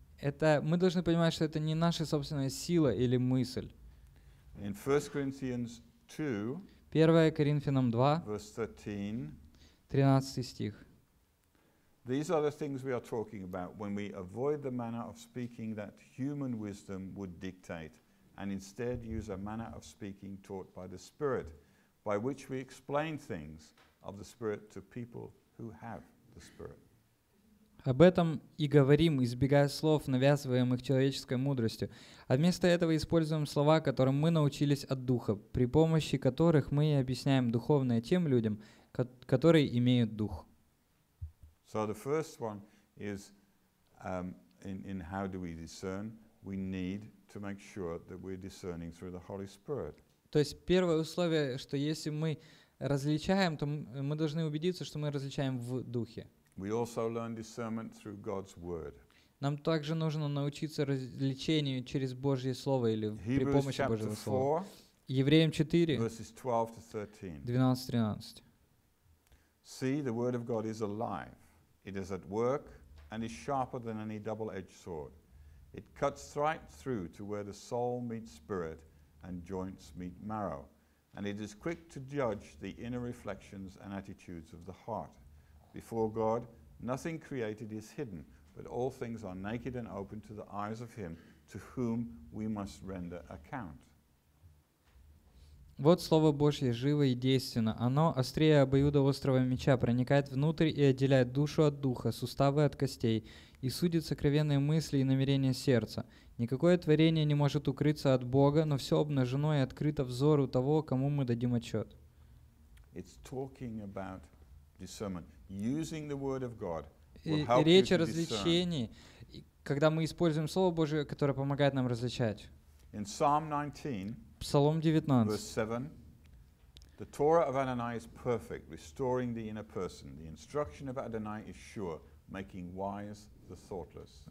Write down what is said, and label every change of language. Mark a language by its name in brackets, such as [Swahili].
[Russian] Это мы должны понимать, что это не наша собственная сила или мысль. [English] In 1 Corinthians 2, [Russian] 1 Коринфянам 2, [English] verse 13, [Russian] 13 стих. [English] These are the things we are talking about when we avoid the manner of speaking that human wisdom would dictate, and instead use a manner of speaking taught by the Spirit, by which we explain things of the Spirit to people who have the Spirit. [Russian] Об этом и говорим, избегая слов, навязываемых человеческой мудростью, а вместо этого используем слова, которым мы научились от Духа, при помощи которых мы и объясняем духовное тем людям, которые имеют Дух. [English] So the first one is in how do we discern? We need to make sure that we're discerning through the Holy Spirit. [Russian] То есть первое условие, что если мы различаем, то мы должны убедиться, что мы различаем в Духе. [English] We also learn discernment through God's word. [Russian] Нам также нужно научиться различению через Божье Слово или при помощи Божьего Слова. Евреям 4, 12-13. [English] See, the word of God is alive. It is at work and is sharper than any double-edged sword. It cuts right through to where the soul meets spirit and joints meet marrow. And it is quick to judge the inner reflections and attitudes of the heart. Before God, nothing created is hidden, but all things are naked and open to the eyes of him to whom we must render account. [Russian] Вот Слово Божье живо и действенно. Оно острее обоюдоострого меча, проникает внутрь и отделяет душу от духа, суставы от костей, и судит сокровенные мысли и намерения сердца. Никакое творение не может укрыться от Бога, но все обнажено и открыто взору того, кому мы дадим отчет. [English] It's talking about discernment. Using the word of God will help you. [Russian] Речь о различении, когда мы используем Слово Божие, которое помогает нам различать. [English] In Psalm 19, [Russian] Псалом 19, [English] verse 7, the Torah of Adonai is perfect, restoring the inner person. The instruction of Adonai is sure, making wise the thoughtless.